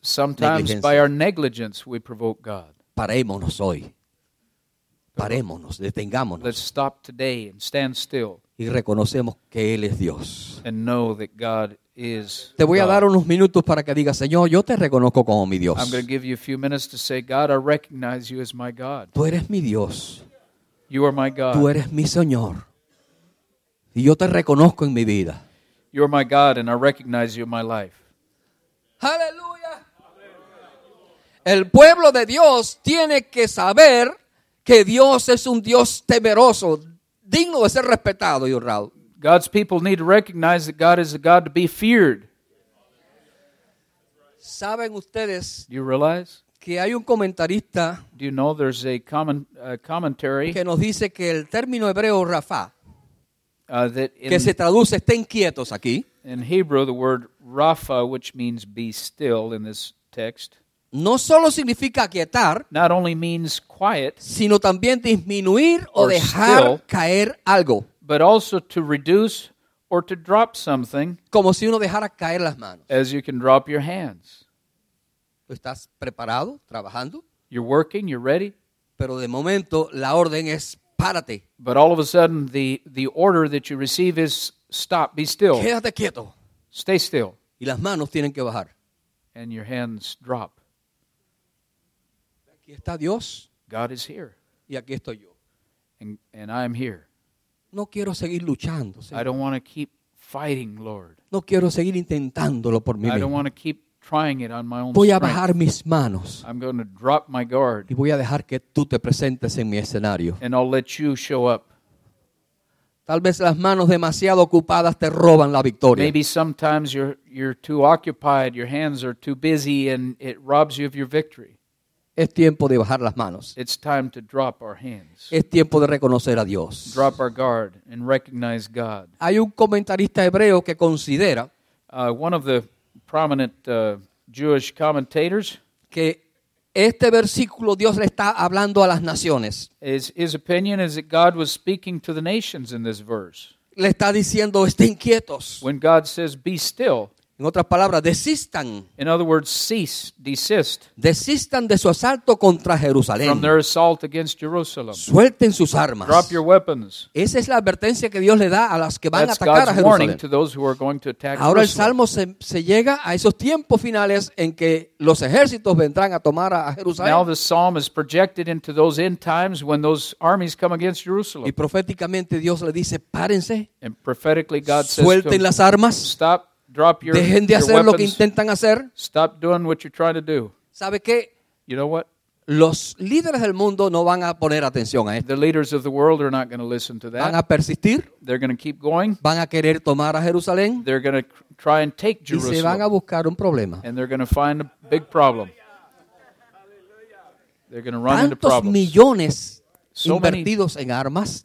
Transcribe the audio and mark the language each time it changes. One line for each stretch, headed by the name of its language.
English: Sometimes by our negligence we provoke God.
Spanish: Parémonos hoy. Parémonos, detengámonos.
English: Let's stop today and stand still.
Spanish: Y reconocemos que Él es Dios.
English: And know that God is
Spanish: te voy a dar unos minutos para que digas, Señor, yo te reconozco como mi Dios.
English: I'm going to give you a few minutes to say, God, I recognize you as my God.
Spanish: Tú eres mi Dios.
English: You are my God.
Spanish: Tú eres mi Señor. Y yo te reconozco en mi vida.
English: You are my God and I recognize you in my life.
Spanish: Aleluya. El pueblo de Dios tiene que saber que Dios es un Dios temeroso, digno de ser respetado y honrado.
English: God's people need to recognize that God is a God to be feared.
Spanish: ¿Saben ustedes?
English: Do you realize?
Spanish: Que hay un comentarista.
English: Do you know there's a commentary
Spanish: que nos dice que el término hebreo rafa
English: that
Spanish: que se traduce estén quietos aquí.
English: In Hebrew, the word rafa, which means be still in this text,
Spanish: no solo significa quietar,
English: not only means quiet,
Spanish: sino también disminuir o dejar
English: still,
Spanish: caer algo,
English: but also to reduce or to drop something,
Spanish: como si uno dejara caer las manos,
English: as you can drop your hands.
Spanish: ¿Estás preparado, trabajando?
English: You're working, you're ready.
Spanish: Pero de momento la orden es párate.
English: But all of a sudden the order that you receive is stop, be still.
Spanish: Quédate quieto.
English: Stay still.
Spanish: Y las manos tienen que bajar.
English: And your hands drop.
Spanish: Aquí está Dios.
English: God is here.
Spanish: Y aquí estoy yo.
English: And I am here.
Spanish: No quiero seguir luchando, Señor.
English: I don't want to keep fighting, Lord.
Spanish: No quiero seguir intentándolo por mí mismo.
English: I don't want to keep trying it on my own.
Spanish: Voy a bajar mis manos.
English: I'm going to drop my guard.
Spanish: Y voy a dejar que tú te presentes en mi escenario.
English: And I'll let you show up.
Spanish: Tal vez las manos demasiado ocupadas te roban la victoria.
English: Maybe sometimes you're too occupied, your hands are too busy, and it robs you of your victory.
Spanish: Es tiempo de bajar las manos.
English: It's time to drop our hands.
Spanish: Es tiempo de reconocer a Dios.
English: Drop our guard and recognize God.
Spanish: Hay un comentarista hebreo que considera
English: one of the prominent Jewish commentators,
Spanish: que este versículo Dios le está hablando a las naciones.
English: His opinion is that God was speaking to the nations in this verse.
Spanish: Le está diciendo estén quietos.
English: When God says be still,
Spanish: en otras palabras desistan.
English: In other words, cease, desist.
Spanish: Desistan de su asalto contra Jerusalén.
English: From their assault against Jerusalem.
Spanish: Suelten sus armas.
English: Drop your weapons.
Spanish: Esa es la advertencia que Dios le da a las que van
English: That's
Spanish: a atacar
English: God's
Spanish: a Jerusalén.
English: Warning to those who are going to attack
Spanish: Ahora
English: Jerusalem.
Spanish: El salmo se llega a esos tiempos finales en que los ejércitos vendrán a tomar a Jerusalén.
English: Now the psalm is projected into those end times when those armies come against Jerusalem.
Spanish: Y proféticamente Dios le dice, párense.
English: And prophetically God says
Spanish: suelten las armas.
English: Stop. Drop your
Spanish: Dejen de
English: your
Spanish: hacer
English: weapons.
Spanish: Lo que intentan hacer.
English: Stop doing what you're trying to do.
Spanish: ¿Sabe qué?
English: You know what?
Spanish: Los líderes del mundo no van a poner atención a esto.
English: The leaders of the world are not going to listen to that.
Spanish: Van a persistir.
English: They're going to keep going.
Spanish: Van a querer tomar a Jerusalén.
English: They're going to try and take Jerusalem.
Spanish: Y se van a buscar un problema.
English: And they're going to find a big problem. They're going to run
Spanish: Tantos
English: into problems.
Spanish: Tantos millones invertidos en armas.